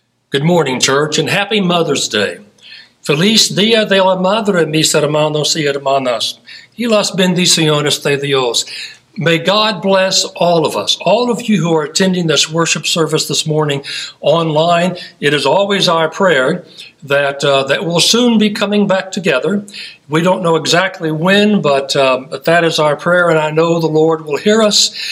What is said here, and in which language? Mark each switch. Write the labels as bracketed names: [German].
[English] Good morning, church, and happy Mother's Day. [Spanish] Feliz Día de la Madre, mis hermanos y hermanas. Y las bendiciones de Dios. [English] May God bless all of us, all of you who are attending this worship service this morning online. It is always our prayer that we'll soon be coming back together. We don't know exactly when, but that is our prayer, and I know the Lord will hear us.